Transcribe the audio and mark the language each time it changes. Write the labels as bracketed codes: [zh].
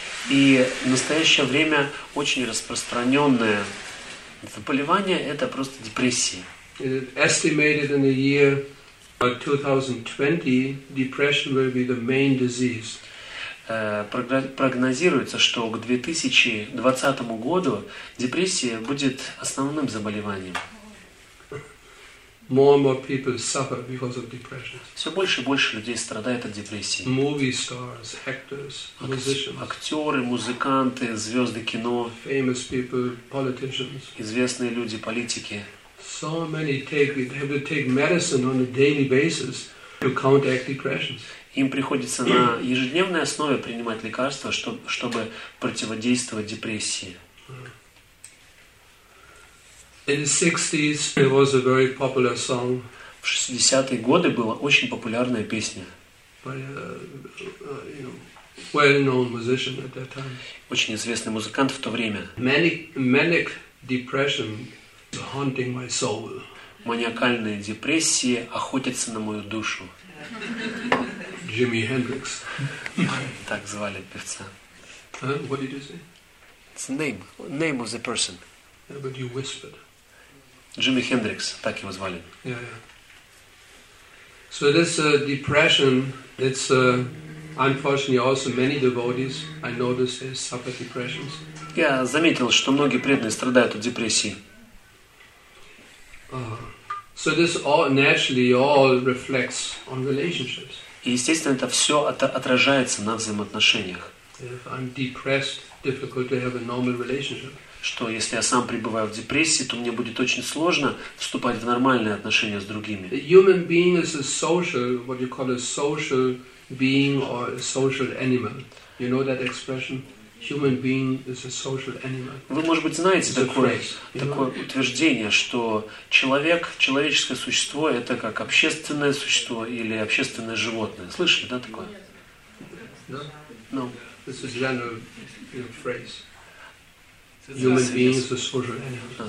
[ru] И в настоящее время очень распространенное заболевание это просто депрессия. [en] Estimated in the year 2020, depression will be the main disease. [ru] Прогнозируется, что к 2020 году депрессия будет основным заболеванием. [en] More and more people suffer because of depression. [ru] Все больше и больше людей страдает от депрессии. [en] Movie stars, actors, musicians. [ru] Актеры, музыканты, звезды кино. [en] Famous people, politicians. [ru] Известные люди, политики. [en] So many have to take medicine on a daily basis to counteract depression. [ru] Им приходится на ежедневной основе принимать лекарства, чтобы противодействовать депрессии. [en] In the 60s, there was a very popular song. [ru] В 60-е годы была очень популярная песня. [en] By a well-known musician at that time. [ru] Очень известный музыкант в то время. [en] Manic depression is haunting my soul. [ru] Маниакальные депрессии охотятся на мою душу. [en] Jimi Hendrix. [ru] Так звали певца. [en] What did you say? It's the name. Name of the person. Yeah, but you whispered. [ru] Jimi Hendrix. Так его звали. [en] Yeah. So this depression, it's Unfortunately, also many devotees, I noticed, they suffer depressions. [ru] Я заметил, что многие преданные страдают от депрессии. [en] So this all naturally all reflects on relationships. [ru] И естественно, это все отражается на взаимоотношениях. [en] If I'm depressed, difficult to have a normal relationship. [ru] Что если я сам пребываю в депрессии, то мне будет очень сложно вступать в нормальные отношения с другими. [en] A human being is a social, what you call a social being or a social animal. You know that expression? Human being is a social animal. [ru] Вы, может быть, знаете такое утверждение, что человеческое существо — это как общественное существо или общественное животное. Слышали, да, такое? [en] No. This is a general phrase. Human being is a social animal.